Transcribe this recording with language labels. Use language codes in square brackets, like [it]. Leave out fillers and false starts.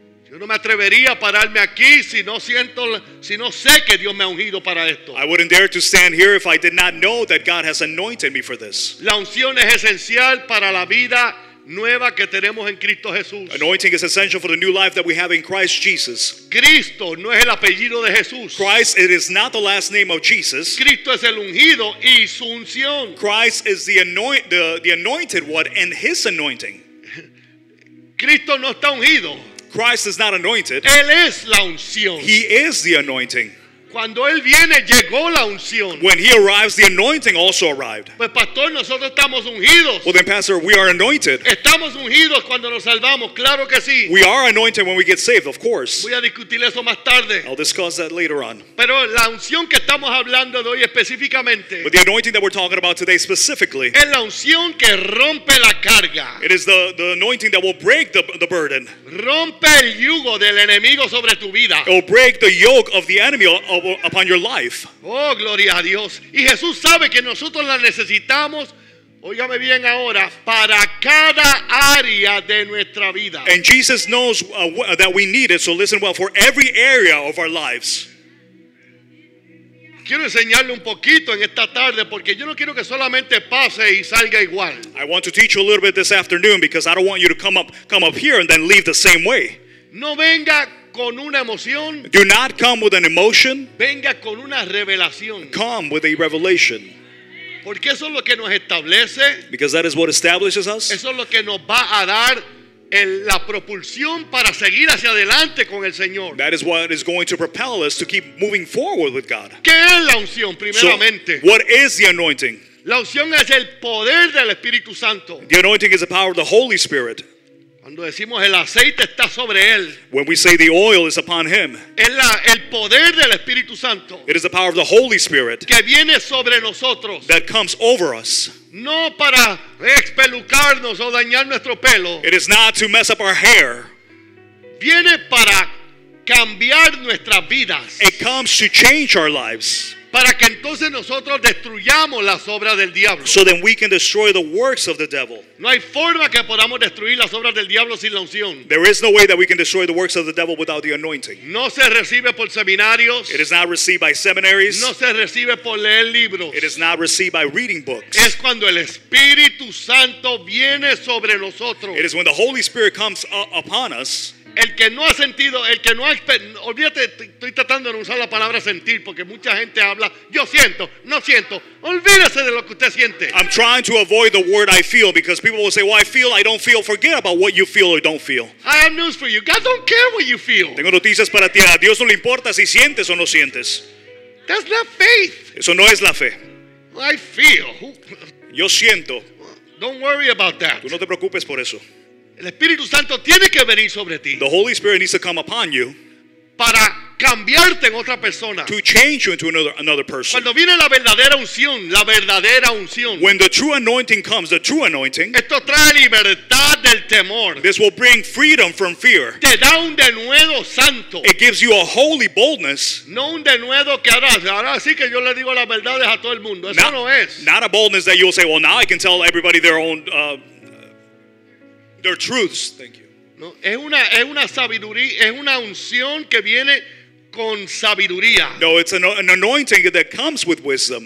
[es] Yo no me atrevería a pararme aquí si no siento, si no sé que Dios me ha ungido para esto. [en] I wouldn't dare to stand here if I did not know that God has anointed me for this. [es] La unción es esencial para la vida nueva que tenemos en Cristo Jesús. [en] Anointing is essential for the new life that we have in Christ Jesus. [es] Cristo no es el apellido de Jesús. [en] Christ, it is not the last name of Jesus. [es] Cristo es el ungido y su unción. [en] Christ is the anointed one and his anointing. [es] Cristo no está ungido. [en] Christ is not anointed. [es] Él es la unción. [en] He is the anointing. [es] Cuando él viene, llegó la unción. [en] When he arrives, the anointing also arrived. [es] Pues pastor, nosotros estamos ungidos. [en] Well then, pastor, we are anointed. [es] Estamos ungidos cuando nos salvamos. Claro que sí. [en] We are anointed when we get saved, of course. [es] Voy a discutir eso más tarde. [en] I'll discuss that later on. [es] Pero la unción que estamos hablando de hoy específicamente. [en] But the anointing that we're talking about today specifically. [es] Es la unción que rompe la carga. [en] It is the anointing that will break the burden. [es] Rompe el yugo del enemigo sobre tu vida. [en] It will break the yoke of the enemy upon your life. [es] Oh, gloria a Dios. Y Jesús sabe que nosotros la necesitamos, óigame bien ahora, para cada área de nuestra vida. [en] And Jesus knows that we need it, so listen well, for every area of our lives. [es] Quiero enseñarle un poquito en esta tarde porque yo no quiero que solamente pase y salga igual. [en] I want to teach you a little bit this afternoon because I don't want you to come up here and then leave the same way. [es] No venga con una emoción. [en] Do not come with an emotion. [es] Venga con una revelación. [en] Come with a revelation. [es] Porque eso es lo que nos establece. [en] Because that is what establishes us. [es] Eso es lo que nos va a dar la propulsión para seguir hacia adelante con el Señor. [en] That is what is going to propel us to keep moving forward with God. [es] ¿Qué es la unción primeramente? [en] So, what is the anointing? [es] La unción es el poder del Espíritu Santo. [en] The anointing is the power of the Holy Spirit. [es] Cuando decimos el aceite está sobre él. [en] When we say the oil is upon him. [es] Es el poder del Espíritu Santo. [en] It is the power of the Holy Spirit. [es] Que viene sobre nosotros. [en] That comes over us. [es] No para espelucarnos o dañar nuestro pelo. [en] It is not to mess up our hair. [es] Viene para cambiar nuestras vidas. [en] It comes to change our lives. [es] para que entonces nosotros destruyamos las obras del diablo. [en] So then we can destroy the works of the devil. [es] No hay forma que podamos destruir las obras del diablo sin la unción. [en] There is no way that we can destroy the works of the devil without the anointing. [es] No se recibe por seminarios. [en] It is not received by seminaries. [es] No se recibe por leer libros. [en] It is not received by reading books. [es] Es cuando el Espíritu Santo viene sobre nosotros. [en] It is when the Holy Spirit comes upon us. [es] El que no ha sentido, el que no ha experimentado, olvídate, estoy tratando de usar la palabra sentir porque mucha gente habla, yo siento, no siento, olvídese de lo que usted siente. [en] I'm trying to avoid the word I feel because people will say, well, I feel, I don't feel, forget about what you feel or don't feel. I have news for you, God don't care what you feel. [es] Tengo noticias para ti, a Dios no le importa si sientes o no sientes. [en] That's not faith. [es] Eso no es la fe. [en] I feel. [es] Yo siento. [en] Don't worry about that. [es] Tú no te preocupes por eso. El Espíritu Santo tiene que venir sobre ti. [en] The Holy Spirit needs to come upon you. [es] Para cambiarte en otra persona. [en] To change you into another person. [es] Cuando viene la verdadera unción, la verdadera unción. [en] When the true anointing comes, the true anointing. [es] Esto trae libertad del temor. [en] This will bring freedom from fear. [es] Te da un denuedo santo. [en] It gives you a holy boldness. [es] No un denuedo que ahora sí que yo le digo las verdades a todo el mundo. Eso no es. [en] Not a boldness that you'll say, well, now I can tell everybody their own their truths. Thank you. [es] No, es una sabiduría, es una unción que viene con sabiduría. [en] No, it's an anointing that comes with wisdom.